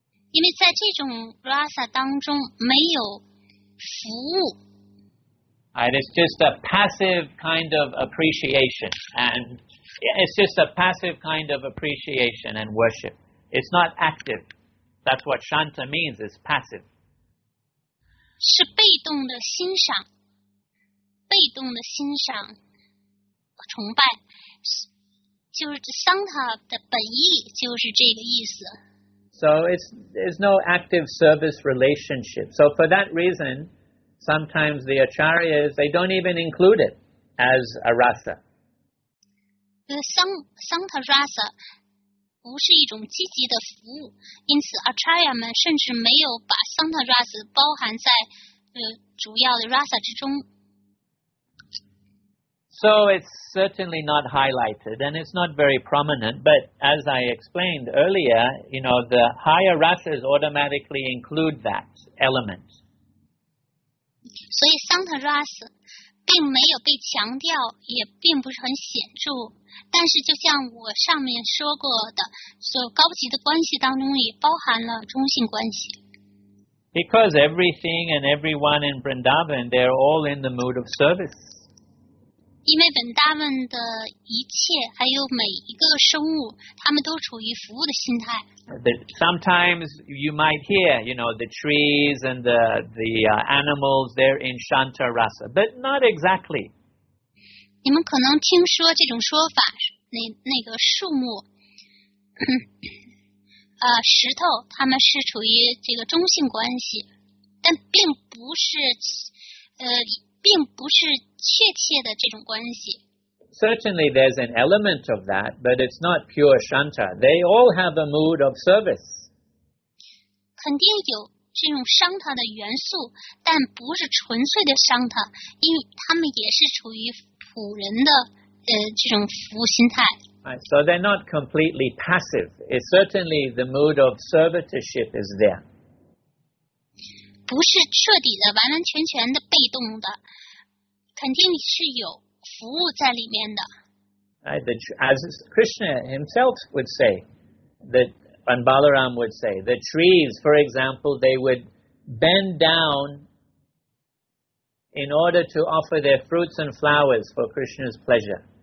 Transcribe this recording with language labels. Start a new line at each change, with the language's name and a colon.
Chinese: 因为在这种 rasa 当中没有服务。
English: And it's just a passive kind of appreciation and. It's just a passive kind of appreciation and worship. It's not active. That's what shanta means, it's passive.
Chinese: 是被动的欣赏，被动的欣赏，崇拜，就是 shanta 的本意就是这个意思。
English: So there's no active service relationship. So for that reason, sometimes the acharyas, they don't even include it as a rasa.
Chinese: Santa Rasa 不是一种积极的服务，因此 Acharya 们甚至没有把 Santa Rasa 包含在主要的 Rasa 之中。
English: So it's certainly not highlighted, and it's not very prominent, but as I explained earlier, you know, the higher rasas automatically include that element. So the
Chinese: Santa Rasa 并没有被强调，也并不是很显著。但是就像我上面说过的，所高级的关系当中也包含了中性关系。
English: Because everything and everyone in Vrindavan, they're all in the mood of service.
Chinese: 因为 Vrindavan 的一切，还有每一个生物，他们都处于服务的心态。
English: Sometimes you might hear, you know, the trees and the animals, they're in Shanta Rasa, but not exactly.
Chinese: 你们可能听说这种说法，那个树木，石头，他们是处于这个中性关系，但并不是确切的这种关系。
English: Certainly there's an element of that, but it's not pure Shanta. They all have a mood of service.
Chinese: 肯定有这种 Shanta 的元素，但不是纯粹的 Shanta, 因为他们也是处于普人的这种服务心态。
English: Right, so they're not completely passive. It's certainly the mood of servitorship is there.
Chinese: 不是彻底的、完完全全的被动的，肯定是有服务在里面的。
English: As Krishna himself would say, that, and Balaram would say, the trees, for example, they would bend down in order to offer their fruits and flowers for Krishna's pleasure.